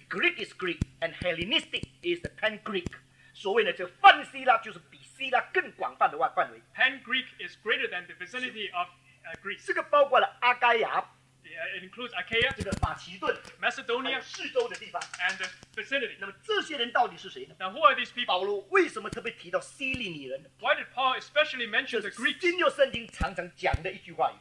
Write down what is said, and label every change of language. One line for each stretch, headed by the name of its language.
English: Greek is Greek, and Hellenistic is the Pan-Greek.
Chinese: 所谓呢，这个泛希腊就是比希腊更广泛的范围。
English: Pan-Greek is greater than the vicinity of Greece.
Chinese: 这个包括了阿该亚。
English: It includes Achaia, Macedonia, and the vicinity. Now, who are these people? Why did Paul especially mention the Greeks?